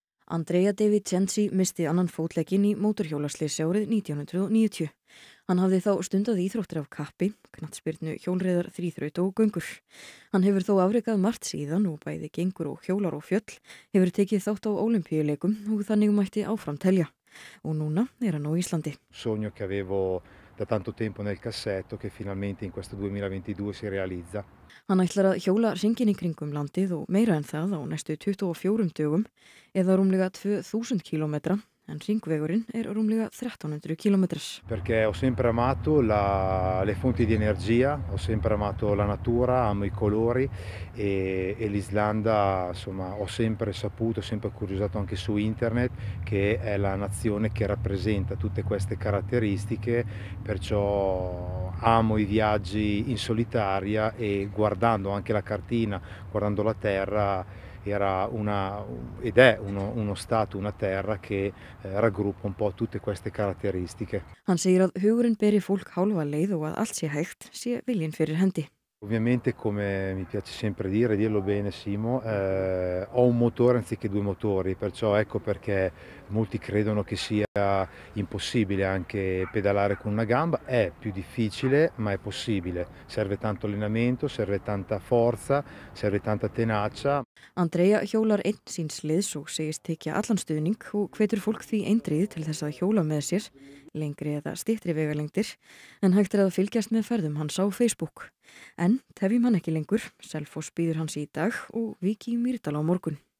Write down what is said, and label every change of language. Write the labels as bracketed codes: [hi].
[is] Andrea David Tensi missti annan fótlegginn í mótorhjólaslysi árið 1990. Hann hafði þá stundað íþróttir af kappi, knattspyrnu, hjólreiðar, þríþraut og göngur. Hann hefur þó afrekað margt síðan og bæði gengur og hjólar og fjöll, hefur tekið þátt á ólympíuleikum og þannig mætti áfram telja. Og núna hann á Íslandi. [it] Sogno che avevo da tanto tempo nel cassetto che finalmente in questo 2022 si realizza. [is] Hann ætlar að hjóla hringinn í kringum landið og meira en það á næstu 24 dögum eða rúmlega 2000 km. En ringvegurinn rúmlega 1300 km. [it] Perché ho sempre amato le fonti di energia, ho sempre amato la natura, amo i colori e l'Islanda, insomma, ho sempre saputo, sempre curiosato anche su internet che è la nazione che rappresenta tutte queste caratteristiche, perciò amo i viaggi in solitaria e guardando anche la cartina, guardando la terra era una ed è uno stato una terra che raggruppa un po' tutte queste caratteristiche. [is] Hann segir að hugurinn beri fólk hálfa leið og að allt sé hægt, sé viljinn fyrir hendi. [it] Ovviamente come mi piace sempre dire, dirlo bene Simo, ho un motore anziché due motori, perciò ecco perché molti credono che sia impossibile anche pedalare con una gamba, è più difficile ma è possibile, serve tanto allenamento, serve tanta forza, serve tanta tenacia. [is] Andrea hjólar einn síns liðs og segist tekja allan stuðning og hvetur fólk því eindrið til þess að hjóla með sér, lengri eða styttri vegalengdir, en hægt að fylgjast með ferðum hans á Facebook. En tefjum hann ekki lengur, Selfoss býður hans í dag og Viki í Mýrdal á morgun.